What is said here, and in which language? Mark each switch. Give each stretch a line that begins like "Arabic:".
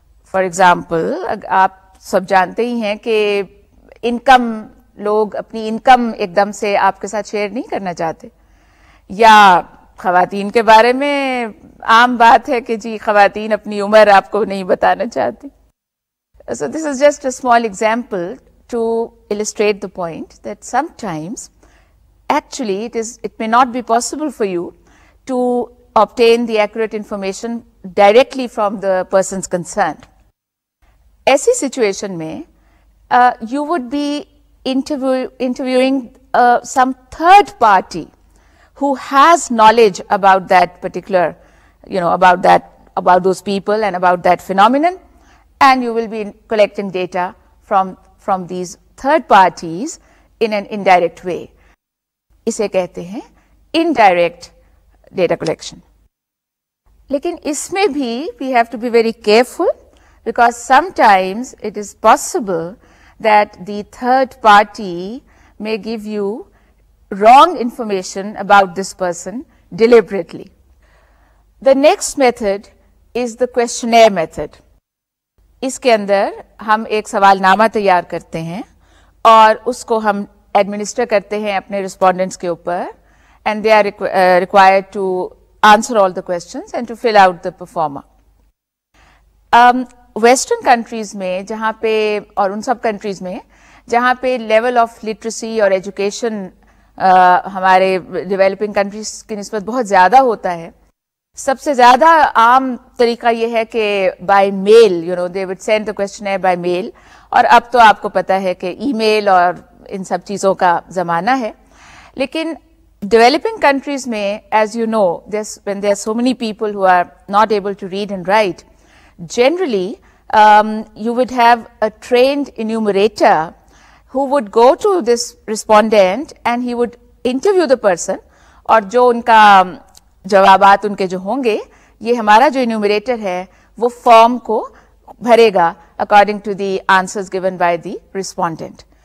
Urdu: For example, آپ سب جانتے ہی ہیں کہ انکم, لوگ اپنی انکم ایک دم سے آپ کے ساتھ شیئر نہیں کرنا چاہتے, یا خواتین کے بارے میں عام بات ہے کہ جی خواتین اپنی عمر آپ کو نہیں بتانا چاہتی.
English: So this is just a small example to illustrate the point that sometimes actually it may not be possible for you to obtain the accurate information directly from the persons concerned. Aisi situation mein you would be interviewing some third party who has knowledge about that particular, you know, about those people and about that phenomenon. And you will be collecting data from these third parties in an indirect way.
Urdu: Isse kehte hain indirect data collection.
English: Lekin isme bhi we have to be very careful, because sometimes it is possible that the third party may give you wrong information about this person deliberately. The next method is the questionnaire method.
Urdu: اس کے اندر ہم ایک سوال نامہ تیار کرتے ہیں اور اس کو ہم ایڈمنسٹر کرتے ہیں اپنے رسپونڈنٹس کے اوپر, and they are required to answer all the questions and to fill out the performer. Western countries میں جہاں پہ, اور ان سب کنٹریز میں جہاں پہ لیول آف لٹریسی اور ایجوکیشن ہمارے ڈیولپنگ کنٹریز کی نسبت بہت زیادہ ہوتا ہے, سب سے زیادہ عام طریقہ یہ ہے کہ by mile, you know, they would send the questionnaire by میل. اور اب تو آپ کو پتہ ہے کہ ای میل اور ان سب چیزوں کا زمانہ ہے, لیکن ڈیولپنگ کنٹریز میں, as you know, when they are so many people ہو are not able to read and right, generally
English: you would have a trained enumerator who would go to this respondent and he would interview the person aur jo unka jawabat unke jo honge ye hamara jo enumerator hai wo form ko bharega according to the answers given by the respondent.